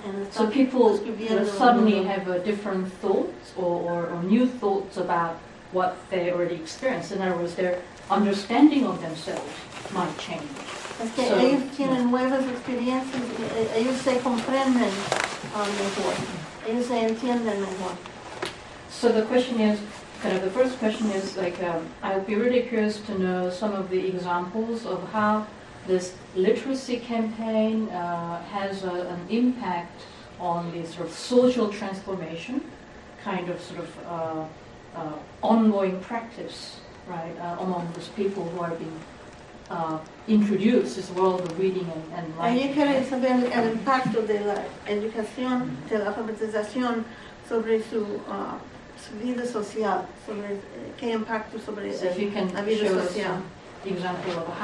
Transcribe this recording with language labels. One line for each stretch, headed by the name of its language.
English: So people suddenly have a different thoughts or new thoughts about what they already experienced. In other words, their understanding of themselves might change.
Spanish: Es que so, ellos tienen nuevas experiencias, ellos se comprenden mejor, ellos se entienden mejor.
English: So the question is, kind of the first question is, like, I'd be really curious to know some of the examples of how this literacy campaign has an impact on the sort of social transformation, kind of sort of ongoing practice, right, among those people who are being introduced to this world of reading and writing.
Spanish: Ella quiere saber el impacto de la educación, de la alfabetización, sobre su su vida social, sobre qué impacto sobre la vida social.